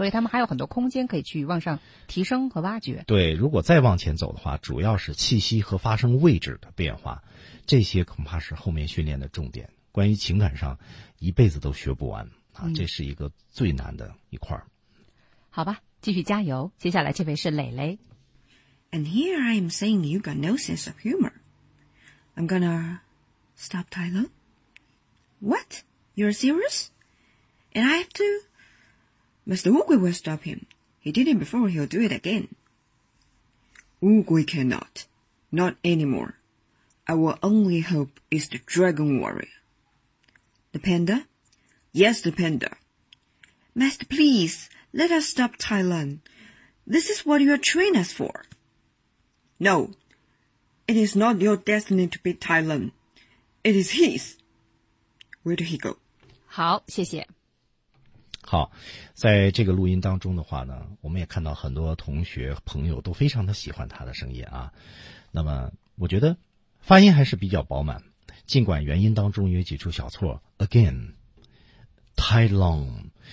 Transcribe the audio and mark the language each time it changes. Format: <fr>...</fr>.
<zh>所以他们还有很多空间可以去往上提升和挖掘。对，如果再往前走的话，主要是气息和发声位置的变化，这些恐怕是后面训练的重点。关于情感上，一辈子都学不完啊，这是一个最难的一块、嗯、好吧，继续加油。接下来这位是蕾蕾。</zh> <en>And here I am saying you got no sense of humor. I'm gonna stop Tyler. What? You're serious? And I have to? Mr. Ugui will stop him. He did it before, he'll do it again. Ugui cannot. Not anymore. I will only hope it's the Dragon Warrior. The panda? Yes, the panda. Master, please, let us stop Tyler. This is what you are training us for. No. It is not your destiny to be Thailand. It is his. Where did he go?</en> <zh>好，谢谢。好，在这个录音当中的话呢，我们也看到很多同学朋友都非常的喜欢他的声音啊。那么我觉得发音还是比较饱满，尽管元音当中有几处小错。</zh> <en>Again, Thailand.</en>